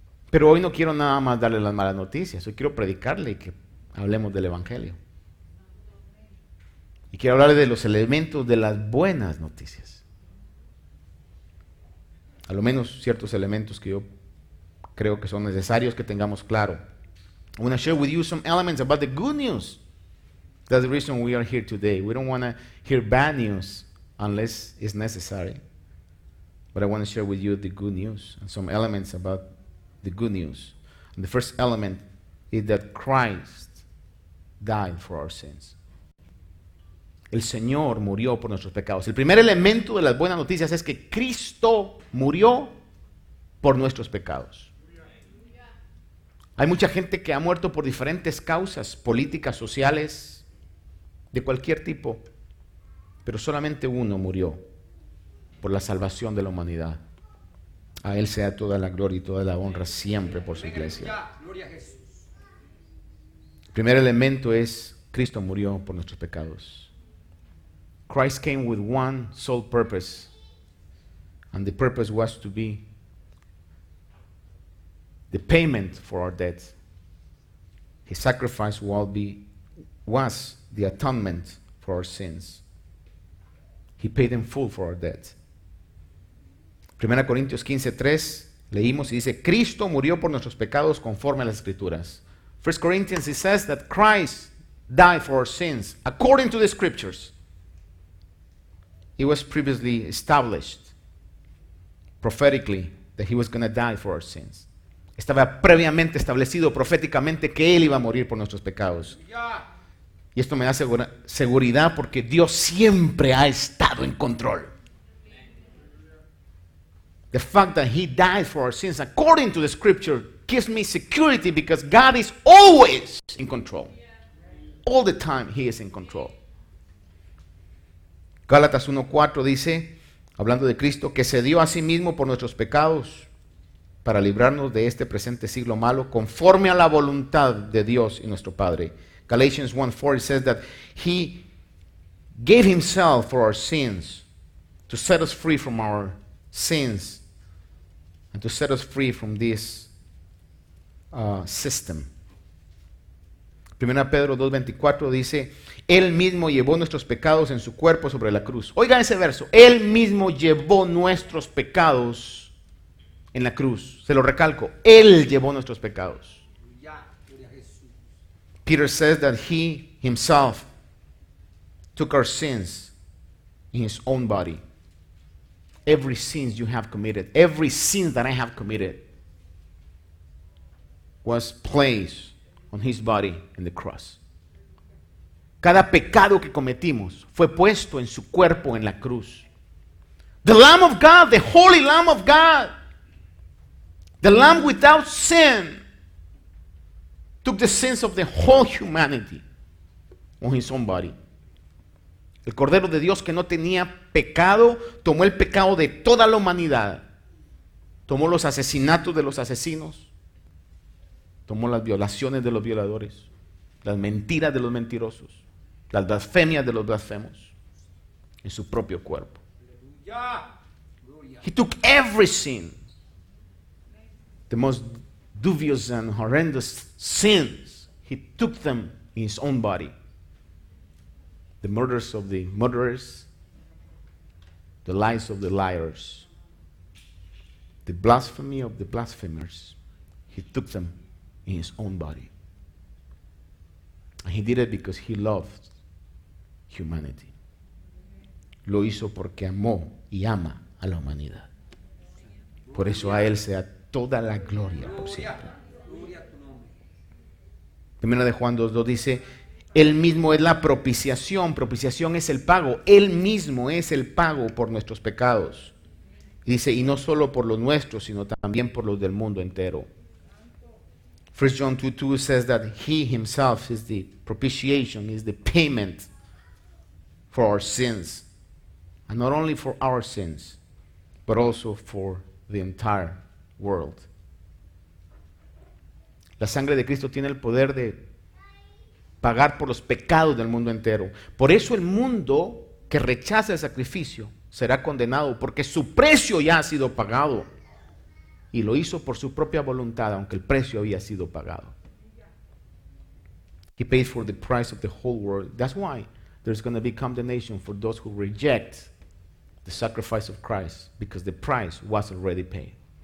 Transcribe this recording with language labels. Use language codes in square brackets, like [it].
[es] Pero hoy no quiero nada más darle las malas noticias, hoy quiero predicarle y que hablemos del Evangelio. Y quiero hablarles de los elementos de las buenas noticias. A lo menos ciertos elementos que yo creo que son necesarios que tengamos claro. [en] I want to share with you some elements about the good news. That's the reason we are here today. We don't want to hear bad news unless it's necessary. But I want to share with you the good news and some elements about the good news. And the first element is that Christ died for our sins. [es] El Señor murió por nuestros pecados. El primer elemento de las buenas noticias es que Cristo murió por nuestros pecados. Hay mucha gente que ha muerto por diferentes causas, políticas, sociales, de cualquier tipo. Pero solamente uno murió por la salvación de la humanidad. A Él sea toda la gloria y toda la honra siempre por su iglesia. El primer elemento es Cristo murió por nuestros pecados. [en] Christ came with one sole purpose, and the purpose was to be the payment for our debts. His sacrifice was the atonement for our sins. He paid in full for our debts. [es] 1 Corintios 15:3 leímos y dice: Cristo murió por nuestros pecados conforme a las Escrituras. [en] 1 Corinthians, it says that Christ died for our sins according to the Scriptures. It was previously established prophetically that he was going to die for our sins. [es] Estaba previamente establecido proféticamente que Él iba a morir por nuestros pecados. Y esto me da seguridad porque Dios siempre ha estado en control. [en] The fact that He died for our sins according to the scripture gives me security because God is always in control. All the time He is in control. [es] Gálatas 1:4 dice, hablando de Cristo, que se dio a sí mismo por nuestros pecados para librarnos de este presente siglo malo conforme a la voluntad de Dios y nuestro Padre. [en] Galatians 1:4 says that He gave Himself for our sins to set us free from our sins and to set us free from this system. [es] 1 Pedro 2:24 dice, Él mismo llevó nuestros pecados en su cuerpo sobre la cruz. Oigan ese verso, Él mismo llevó nuestros pecados en la cruz. Se lo recalco, Él llevó nuestros pecados. [en] Peter says that He Himself took our sins in His own body. Every sin you have committed, every sin that I have committed was placed on His body in the cross. [es] Cada pecado que cometimos fue puesto en su cuerpo en la cruz. [en] The Lamb of God, the Holy Lamb of God, the Lamb without sin, took the sins of the whole humanity on His own body. [es] El Cordero de Dios que no tenía pecado tomó el pecado de toda la humanidad. Tomó los asesinatos de los asesinos. Tomó las violaciones de los violadores. Las mentiras de los mentirosos. Las blasfemias de los blasfemos. En su propio cuerpo. [en] He took every sin. The most dubious and horrendous sins. He took them in His own body. The murders of the murderers, the lies of the liars, the blasphemy of the blasphemers, He took them in His own body. And He did it because He loved humanity. [es] Lo hizo porque amó y ama a la humanidad. Por eso a Él sea toda la gloria por siempre. Primera de Juan 2:2 dice, Él mismo es la propiciación. Propiciación es el pago. Él mismo es el pago por nuestros pecados. Dice, y no solo por los nuestros, sino también por los del mundo entero. [en] 1 John 2:2 says that He Himself is the propitiation, is the payment for our sins. And not only for our sins, but also for the entire world. [es] La sangre de Cristo tiene el poder de pagar por los pecados del mundo entero. Por eso el mundo que rechaza el sacrificio será condenado, porque su precio ya ha sido pagado. Y lo hizo por su propia voluntad, aunque el precio había sido pagado. [en] He paid for the price of the whole world. That's why there's going to be condemnation for those who reject the sacrifice of Christ, because the price was already paid.